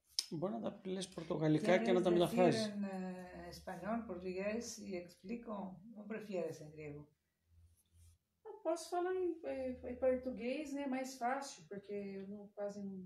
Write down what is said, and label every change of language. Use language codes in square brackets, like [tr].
[el] Μπορεί να τα πεις πορτογαλικά και να τα μεταφράσεις. [es] Quieres decir en español, portugués, y explico, ¿o prefieres en griego? [pt] Posso falar em português, né, mais fácil, porque eu não quase...